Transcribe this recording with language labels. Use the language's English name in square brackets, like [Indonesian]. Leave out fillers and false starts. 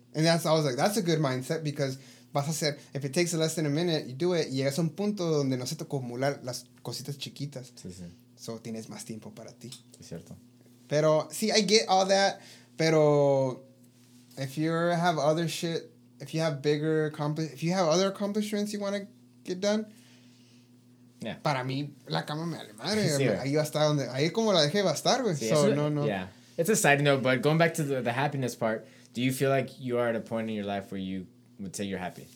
[English] And I was like, that's a good mindset, because [Spanish] vas a hacer, [English] if it takes less than a minute, you do it, [Spanish] y llegas a un punto donde no se te acumulan las cositas chiquitas. Sí, sí. So tienes más tiempo para ti. Es cierto. [English] Pero, see, I get all that, pero if you have other shit, if you have bigger, if you have other accomplishments you want to get done, yeah. [Spanish] Para mí, la cama me vale madre. Sí, ahí va a estar donde, ahí como la dejé, va a estar, güey. Sí, so, no. [English] Yeah. It's a side note, but going back to the happiness part, do you feel like you are at a point in your life where you would say you're happy?